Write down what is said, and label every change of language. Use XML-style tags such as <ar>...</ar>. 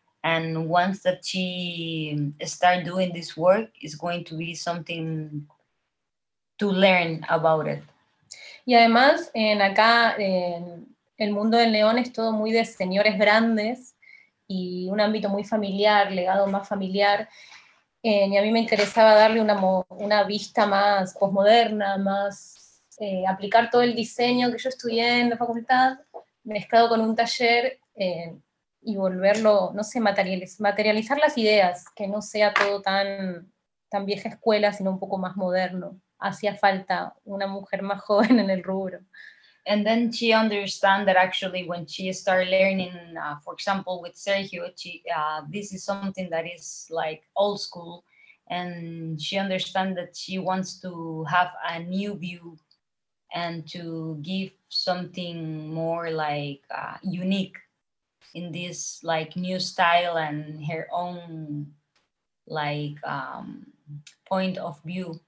<en>And once that she start doing this work, it's going to be something to learn about it.</en> <es>Y además, en acá, en el mundo del neón es todo muy de señores grandes y un ámbito muy familiar, legado más familiar. Y a mí me interesaba darle una vista más postmoderna, más aplicar todo el diseño que yo estudié en la facultad, mezclado con un taller y volverlo, no sé, materializar las ideas, que no sea todo tan vieja escuela, sino un poco más moderno. Hacía falta una mujer más joven en el rubro.</es> <en>And then she understand that actually when she start learning, for example, with Sergio, this is something that is like old school, and she understand that she wants to have a new view and to give something more like unique in this like new style and her own like point of view.</en>